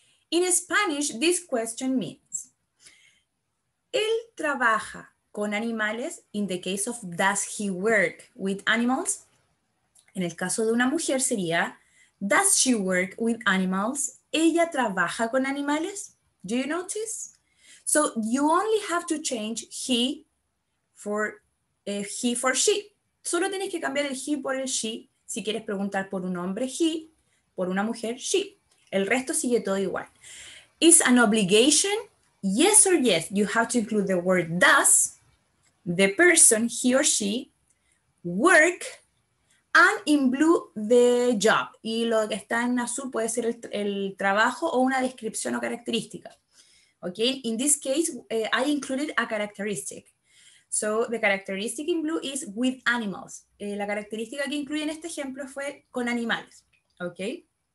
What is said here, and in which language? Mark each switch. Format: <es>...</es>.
<en>In Spanish, this question means,</en> <es>él trabaja con animales,</es> <en>in the case of does he work with animals?</en> <es>En el caso de una mujer sería,</es> <en>does she work with animals?</en> <es>¿Ella trabaja con animales?</es> <en>Do you notice? So you only have to change he for she.</en> <es>Solo tienes que cambiar el he por el she. Si quieres preguntar por un hombre, he, por una mujer, she. El resto sigue todo igual.</es> <en>Is an obligation? Yes or yes, you have to include the word does, the person, he or she, work, and in blue, the job.</en> <es>Y lo que está en azul puede ser el trabajo o una descripción o característica.</es> <en>Okay, in this case, I included a characteristic. So the characteristic in blue is with animals.</en> <es>La característica que incluye en este ejemplo fue con animales, okay?</es>